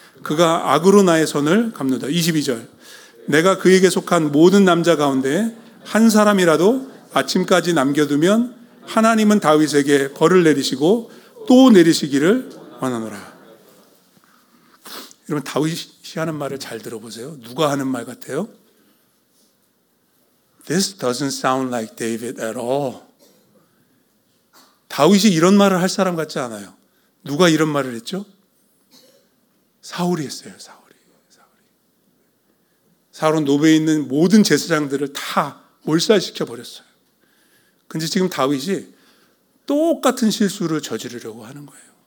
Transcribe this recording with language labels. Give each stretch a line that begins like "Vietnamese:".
Korean: 그가 악으로 나의 손을 감는다. 22절 내가 그에게 속한 모든 남자 가운데 한 사람이라도 아침까지 남겨두면 하나님은 다윗에게 벌을 내리시고 또 내리시기를 원하노라. 여러분 다윗이 하는 말을 잘 들어보세요. 누가 하는 말 같아요?
English: This doesn't sound like David at all.
Korean: 다윗이 이런 말을 할 사람 같지 않아요. 누가 이런 말을 했죠? 사울이 했어요. 사울은 노베에 있는 모든 제사장들을 다 몰살시켜 버렸어요. 근데 지금 다윗이 똑같은 실수를 저지르려고 하는 거예요.